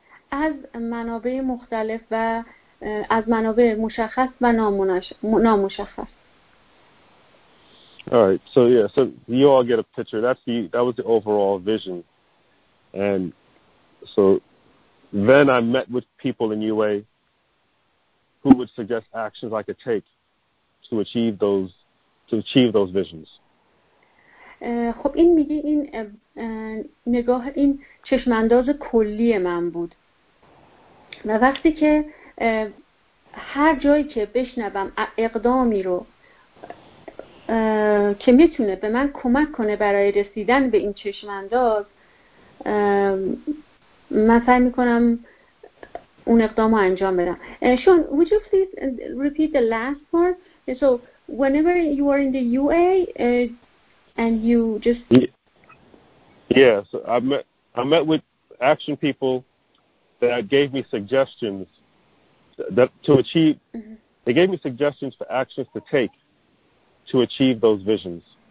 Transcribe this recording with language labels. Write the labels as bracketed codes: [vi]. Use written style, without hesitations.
[fa] از منابع مختلف و از منابع مشخص و نامشخص. [en] All right. So yeah, so you all get a picture. That was the overall vision. And so then I met with people in UA who would suggest actions I could take to achieve those visions. [fa] خب این میگه این نگاه این چشم انداز کلی من بود. و وقتی که هر جایی که بشنوم اقدامی رو که میتونه به من کمک کنه برای رسیدن به این چشم انداز من سعی میکنم اون اقدام رو انجام بدم. [en] Sean, would you please repeat the last part? So whenever you are in the UA and you just So I met with action people that gave me suggestions they gave me suggestions for actions to take to achieve those visions.